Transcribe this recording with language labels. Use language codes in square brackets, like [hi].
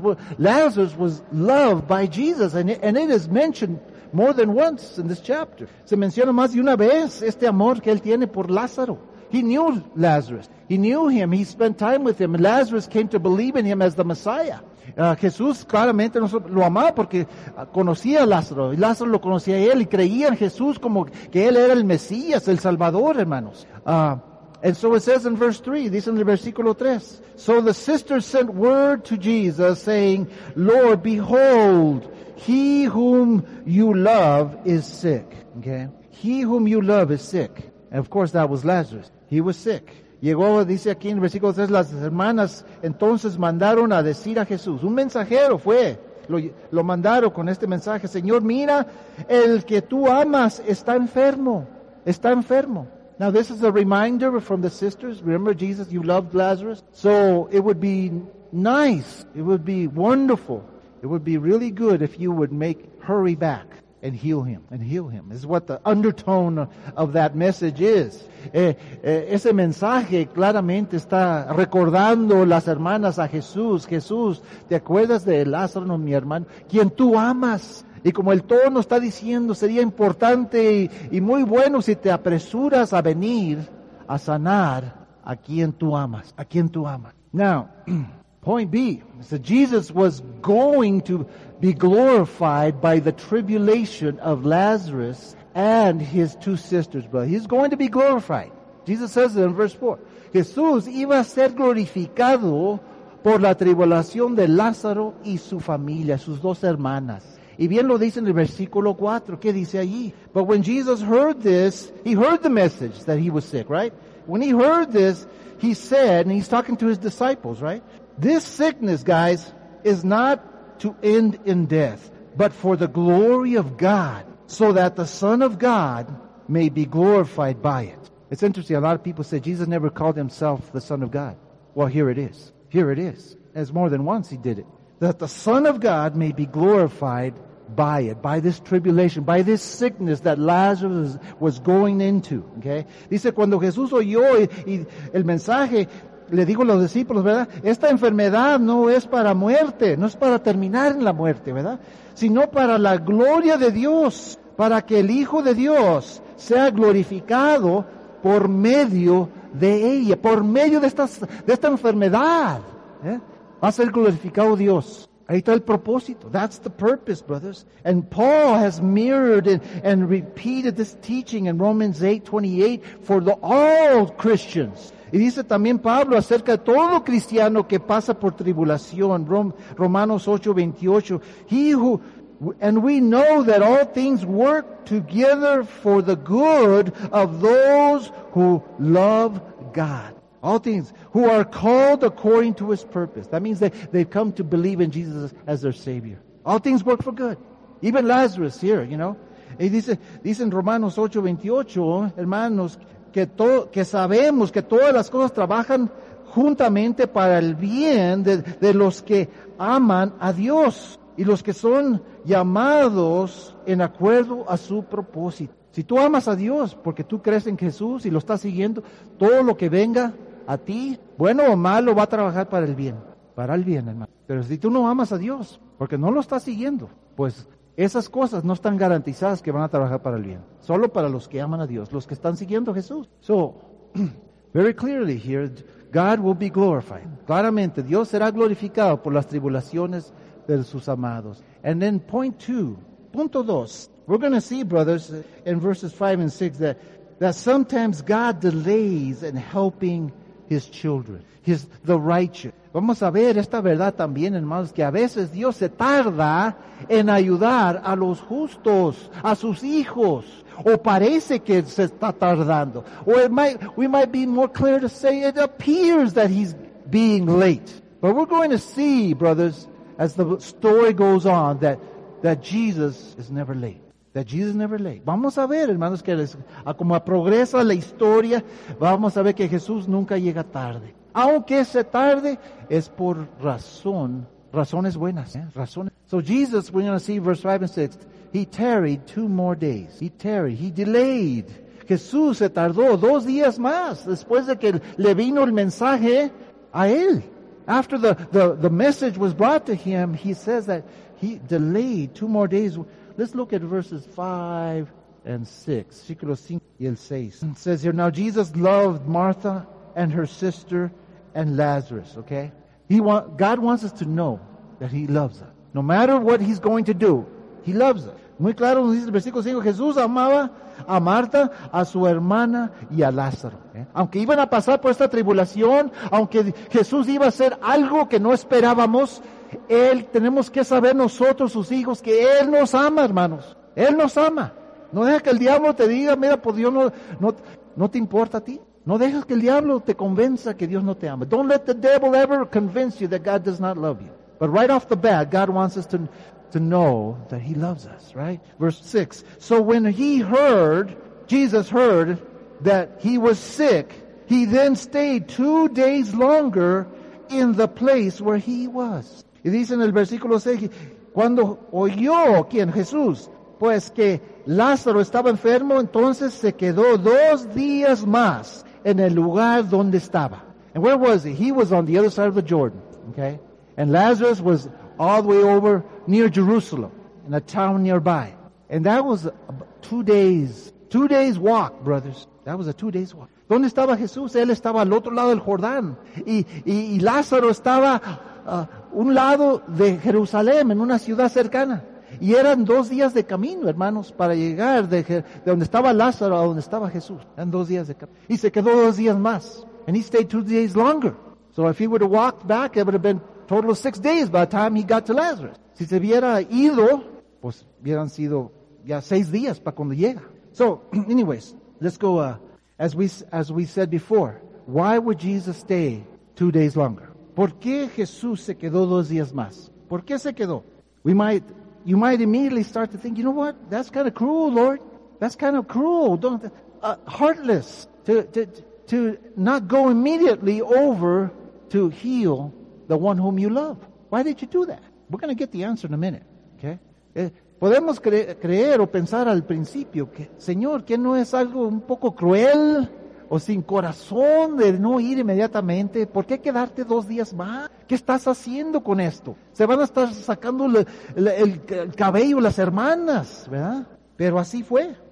[en] Well, Lazarus was loved by Jesus, and it is mentioned more than once in this chapter. [es] Se menciona más de una vez este amor que él tiene por Lázaro. [en] He knew Lazarus. He knew him. He spent time with him. Lazarus came to believe in him as the Messiah. [es] Jesús claramente lo amaba porque conocía a Lázaro. Y Lázaro lo conocía a él y creía en Jesús como que él era el Mesías, el Salvador, hermanos. [en] And so it says in verse 3, [es] dice en el versículo 3. [en] So the sisters sent word to Jesus saying, Lord, behold, he whom you love is sick. Okay? He whom you love is sick. And of course that was Lazarus. He was sick. [es] Llegó, dice aquí en el versículo 3, las hermanas entonces mandaron a decir a Jesús. Un mensajero fue. Lo mandaron con este mensaje. Señor, mira, el que tú amas está enfermo. Está enfermo. [en] Now this is a reminder from the sisters. Remember Jesus, you loved Lazarus. So it would be nice. It would be wonderful. It would be really good if you would make hurry back. And heal him. And heal him. This is what the undertone of that message is. [es] Ese mensaje claramente está recordando las hermanas a Jesús. Jesús, ¿te acuerdas de Lázaro, mi hermano? Quien tú amas. Y como el tono está diciendo, sería importante y muy bueno si te apresuras a venir a sanar a quien tú amas. A quien tú amas. [en] Now, point B. So Jesus was going to be glorified by the tribulation of Lazarus and his two sisters, but he's going to be glorified. Jesus says it in verse 4. [es] Jesús iba a ser glorificado por la tribulación de Lázaro y su familia, sus dos hermanas. Y bien lo dice en el versículo 4, ¿qué dice allí? [en] But when Jesus heard this, he heard the message that he was sick, right? When he heard this, he said, and he's talking to his disciples, right? This sickness, guys, is not to end in death, but for the glory of God, so that the Son of God may be glorified by it. It's interesting, a lot of people say Jesus never called himself the Son of God. Well, here it is. Here it is. As more than once he did it. That the Son of God may be glorified by it, by this tribulation, by this sickness that Lazarus was going into. Okay? [es] Dice, cuando Jesús oyó y el mensaje, le digo a los discípulos, ¿verdad? Esta enfermedad no es para muerte, no es para terminar en la muerte, ¿verdad? Sino para la gloria de Dios, para que el Hijo de Dios sea glorificado por medio de ella, por medio de esta enfermedad, ¿eh? Va a ser glorificado Dios. Ahí está el propósito. [en] That's the purpose, brothers. And Paul has mirrored and repeated this teaching in Romans 8:28 for all Christians. [es] Y dice también Pablo acerca de todo cristiano que pasa por tribulación. Romanos 8:28. [en] And we know that all things work together for the good of those who love God. All things who are called according to His purpose. That means that they've come to believe in Jesus as their Savior. All things work for good. Even Lazarus here, you know. [es] Y dice en Romanos 8:28, hermanos, que sabemos que todas las cosas trabajan juntamente para el bien de los que aman a Dios. Y los que son llamados en acuerdo a su propósito. Si tú amas a Dios porque tú crees en Jesús y lo estás siguiendo, todo lo que venga a ti, bueno o malo, va a trabajar para el bien. Para el bien, hermano. Pero si tú no amas a Dios porque no lo estás siguiendo, pues esas cosas no están garantizadas que van a trabajar para el bien. Solo para los que aman a Dios, los que están siguiendo a Jesús. [en] So, very clearly here, God will be glorified. [es] Claramente, Dios será glorificado por las tribulaciones de sus amados. [en] And then point two, [es] punto dos. [en] We're going to see, brothers, in verses 5 and 6 that sometimes God delays in helping His children, the righteous. [es] Vamos a ver esta verdad también, hermanos, que a veces Dios se tarda en ayudar a los justos, a sus hijos, o parece que se está tardando. [en] Or we might be more clear to say it appears that He's being late. But we're going to see, brothers, as the story goes on, that Jesus is never late. That Jesus is never late. [es] Vamos a ver, hermanos, que como progresa la historia, vamos a ver que Jesús nunca llega tarde. Aunque se tarde, es por razones buenas. ¿Eh? Razones. [en] So Jesus, we're going to see verse 5 and 6, He tarried 2 more days. He delayed. [es] Jesús se tardó 2 días más después de que le vino el mensaje a él. [en] After the message was brought to him, he says that he delayed 2 more days. Let's look at verses 5 and 6. [es] Versículo 5 y el 6. [en] It says here, now Jesus loved Martha and her sister and Lazarus, okay? God wants us to know that He loves us. No matter what He's going to do, He loves us. [es] Muy claro, dice el versículo 5, Jesús amaba a Marta, a su hermana y a Lázaro. ¿Eh? Aunque iban a pasar por esta tribulación, aunque Jesús iba a hacer algo que no esperábamos, tenemos que saber nosotros, sus hijos, que Él nos ama, hermanos. Él nos ama. No dejes que el diablo te diga, mira, por Dios no te importa a ti. No dejes que el diablo te convenza que Dios no te ama. [en] Don't let the devil ever convince you that God does not love you. But right off the bat, God wants us to know that He loves us, right? Verse 6, so when Jesus heard that he was sick, he then stayed 2 days longer in the place where he was. [es] Y dice en el versículo 6, cuando oyó, ¿quién? Jesús, pues que Lázaro estaba enfermo, entonces se quedó 2 días más en el lugar donde estaba. [en] And where was he? He was on the other side of the Jordan, okay? And Lazarus was all the way over near Jerusalem, in a town nearby. And that was 2 days walk, brothers. That was a 2 days walk. [es] ¿Dónde estaba Jesús? Él estaba al otro lado del Jordán. Y Lázaro estaba un lado de Jerusalén, en una ciudad cercana. Y eran dos días de camino, hermanos, para llegar de donde estaba Lázaro a donde estaba Jesús. Eran dos días de camino. Y se quedó dos días más. [en] And he stayed 2 days longer. So if he would have walked back, it would have been total of 6 days by the time he got to Lazarus. [es] Si se hubiera ido, pues hubieran sido ya 6 días para cuando llega. [en] So, anyways, let's go. As we said before, why would Jesus stay 2 days longer? [es] ¿Por qué Jesús se quedó dos días más? ¿Por qué se quedó? [en] You might immediately start to think, you know what? That's kind of cruel, Lord. That's kind of cruel. Heartless to not go immediately over to heal the one whom you love. Why did you do that? We're going to get the answer in a minute. Okay? [es] Podemos creer o pensar al principio que, Señor, ¿que no es algo un poco cruel o sin corazón de no ir inmediatamente? ¿Por qué quedarte dos días más? ¿Qué estás haciendo con esto? Se van a estar sacando el cabello las hermanas, ¿verdad? Pero así fue.